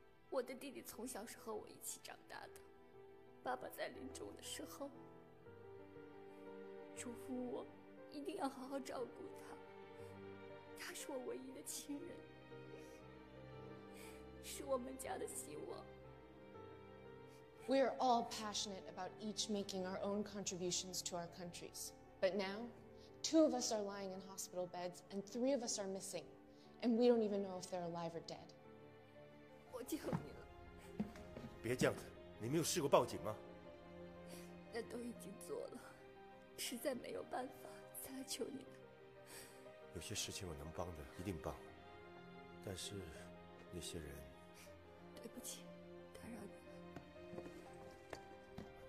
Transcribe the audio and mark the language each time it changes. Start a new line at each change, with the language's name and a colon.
Chinese: 我的弟弟从小是和我一起长大的，爸爸在临终的时候嘱咐我，一定要好好照顾他。他是我唯一的亲人，是我们家的希望。
English: We are all passionate about each making our own contributions to our countries. But now, two of us are lying in hospital beds, and three of us are missing, and we don't even know if they're alive or dead.
Chinese: 我救你了。别这样子，你没有试过报警吗？那都已经做了，实在没有办法才来求你的。有些事情我能帮的一定帮，但是那些人…… 对不起，打扰你。